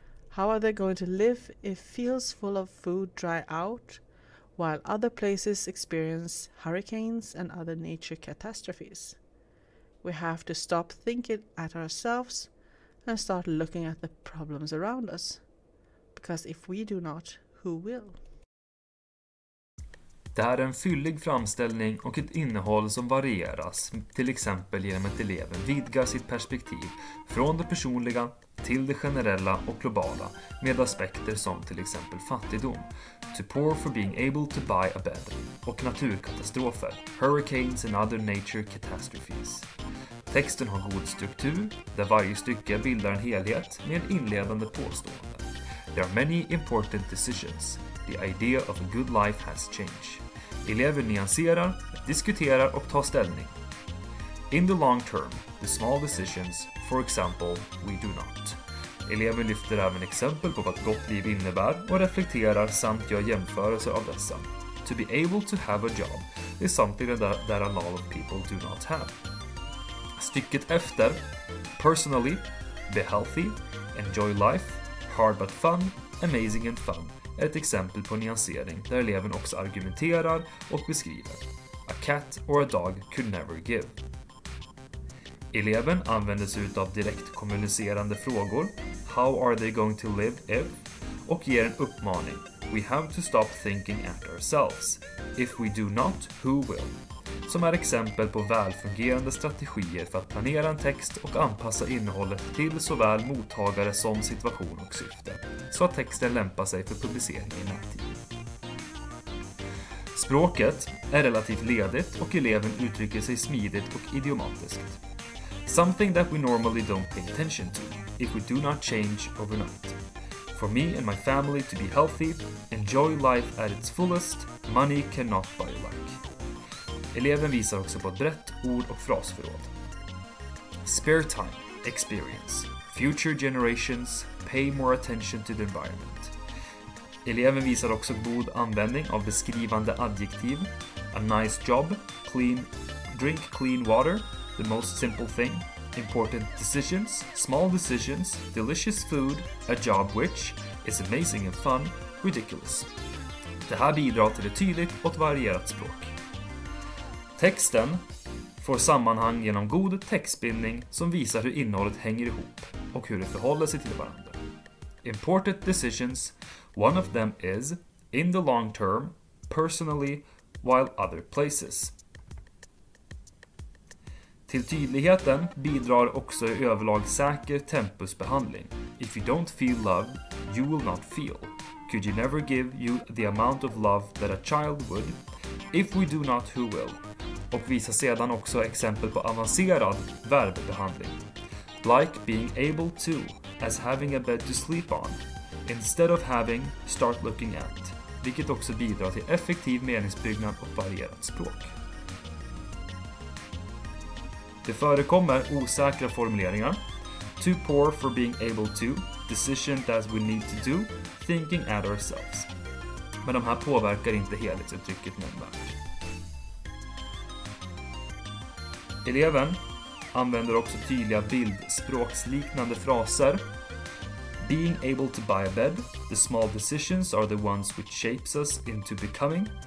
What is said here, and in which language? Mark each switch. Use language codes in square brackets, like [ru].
[en] How are they going to live if fields full of food dry out, while other places experience hurricanes and other nature catastrophes? We have to stop thinking at ourselves and start looking at the problems around us. Because if we do not, who will? [sv] Det här är en fyllig framställning och ett innehåll som varieras, till exempel genom att eleven vidgar sitt perspektiv från det personliga till det generella och globala med aspekter som till exempel fattigdom, [en] to poor for being able to buy a bed, [sv] och naturkatastrofer, [en] hurricanes and other nature catastrophes. [sv] Texten har god struktur, där varje stycke bildar en helhet med en inledande påstående. [en] There are many important decisions. The idea of a good life has changed. [sv] Elever nyanserar, diskuterar och tar ställning. [en] In the long term, the small decisions, for example, we do not. [sv] Elever lyfter även exempel på vad gott liv innebär och reflekterar samt gör jämförelser av dessa. [en] To be able to have a job is something that a lot of people do not have. [sv] Stycket efter, [en] personally, be healthy, enjoy life, hard but fun, amazing and fun, [sv] är ett exempel på nyansering där eleven också argumenterar och beskriver. [en] A cat or a dog could never give. [sv] Eleven använder sig av direkt kommunicerande frågor, [en] how are they going to live if, [sv] och ger en uppmaning, [en] we have to stop thinking at ourselves, if we do not, who will? [sv] Som är exempel på välfungerande strategier för att planera en text och anpassa innehållet till såväl mottagare som situation och syfte, så att texten lämpar sig för publicering i närtid. Språket är relativt ledigt och eleven uttrycker sig smidigt och idiomatiskt. [en] Something that we normally don't pay attention to, if we do not change overnight. For me and my family to be healthy, enjoy life at its fullest, money cannot buy luck. [sv] Eleven visar också på ett brett ord- och frasförråd. [en] Spare time, experience. Future generations, pay more attention to the environment. [sv] Eleven visar också god användning av beskrivande adjektiv. [en] A nice job, clean, drink clean water, the most simple thing. Important decisions, small decisions, delicious food, a job which is amazing and fun, ridiculous. [sv] Det här bidrar till ett tydligt och ett varierat språk. Texten får sammanhang genom god textbildning som visar hur innehållet hänger ihop och hur det förhåller sig till varandra. [en] Important decisions, one of them is, in the long term, personally, while other places. [sv] Till tydligheten bidrar också i överlag säker tempusbehandling. [en] If you don't feel love, you will not feel. Could you never give you the amount of love that a child would? If we do not, who will? [sv] Och visa sedan också exempel på avancerad verbbehandling. [en] Like being able to, as having a bed to sleep on. Instead of having, start looking at. [sv] Vilket också bidrar till effektiv meningsbyggnad och varierat språk. Det förekommer osäkra formuleringar. [en] Too poor for being able to, decision that we need to do, thinking at ourselves. [sv] Men de här påverkar inte helhetsuttrycket nämnvärt. Eleven använder också tydliga bildspråksliknande fraser. [en] Being able to buy a bed, the small decisions are the ones which shapes us into becoming.